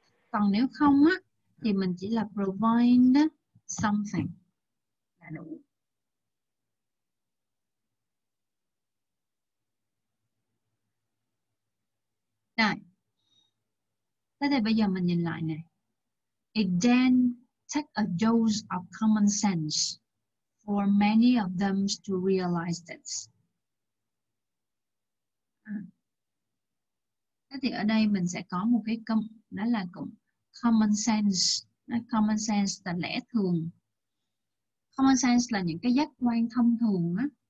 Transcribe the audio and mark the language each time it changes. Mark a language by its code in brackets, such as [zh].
[vi] Còn nếu không á, thì mình chỉ là [en] provide something. [vi] Đủ. Rồi. Thế thì bây giờ mình nhìn lại này. [en] It then takes a dose of common sense for many of them to realize this. [vi] Thế thì ở đây mình sẽ có một cái cụm, đó là cụm common sense. Common sense là lẽ thường. Common sense là những cái giác quan thông thường á.